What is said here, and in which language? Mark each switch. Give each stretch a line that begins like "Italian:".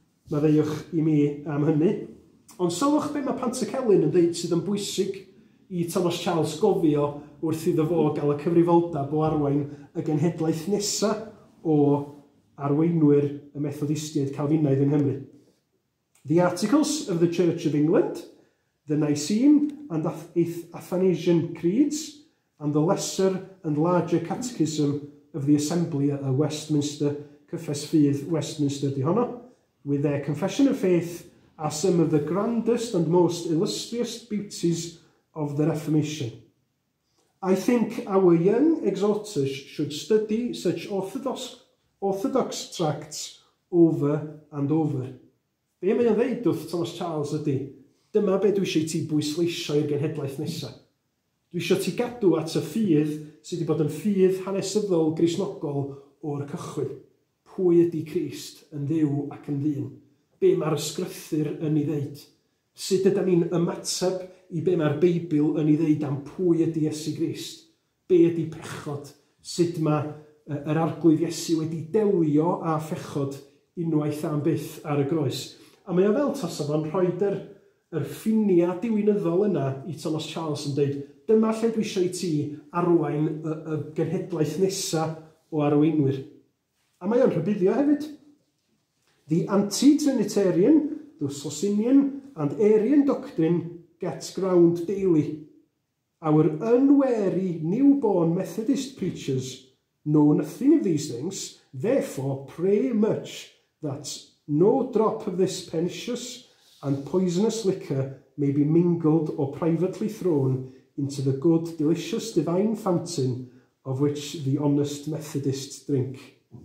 Welsh: Mae ddeiwch i mi am hynny. Ond sylwch be mae Pantacalin yn deud sydd yn bwysig i Thomas Charles gofio wrth iddo fo gael y cyfrifoldeb o arwain y genhedlaeth nesaf o arweinwyr y methodistiaid Calfinaidd yng Nghymru.
English: The Articles of the Church of England, the Nicene and Athanasian Creeds, and the Lesser and Larger Catechism of the Assembly at Westminster,
Welsh: Cyffes Ffydd Westminster di honno,
English: with their Confession of Faith, are some of the grandest and most illustrious beauties of the Reformation. I think our young exhorters should study such orthodox tracts over and over.
Welsh: Be mae'n ddeud wrth Thomas Charles ydy, dyma be dwi eisiau ti bwysleisio i'r genhedlaeth nesaf. Dwi eisiau ti gadw at y ffydd sydd wedi bod yn ffydd hanesyddol grisnogol o'r cychwyn. Pwy ydy Crist yn Dduw ac yn ddyn? Be mae'r ysgrythur yn ei ddeud? Sut ydy ni'n ymateb i be mae'r Beibl yn ei ddeud am pwy ydy Iesu Grist? Be ydy pechod? Sut mae yr arglwydd Iesu wedi delio â phechod unwaith am byth ar y groes? A mae o fel tasaf o'n rhoi yr ffiniau diwinyddol yna i Thomas Charles yn dweud, dyma lle dwi eisiau ti arwain y genhedlaeth nesaf o arweinwyr. A mae o'n rhybuddio hefyd.
English: The anti-Trinitarian, the Socinian and Arian doctrine gets ground daily. Our unwary newborn Methodist preachers know nothing of these things, therefore pray much that no drop of this pernicious and poisonous liquor may be mingled or privately thrown into the good, delicious, divine fountain of which the honest Methodists drink.